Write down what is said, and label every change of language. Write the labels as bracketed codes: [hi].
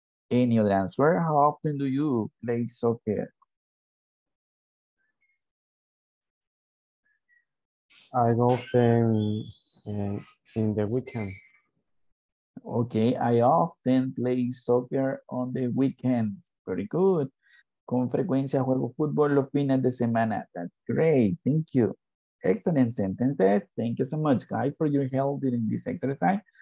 [en] Any other answer? How often do you play soccer? I go often in the weekend. Okay, I often play soccer on the weekend. Very good. [es] Con frecuencia juego fútbol los fines de semana. [en] That's great. Thank you. Excellent sentences. Thank you so much, guys, for your help during this exercise.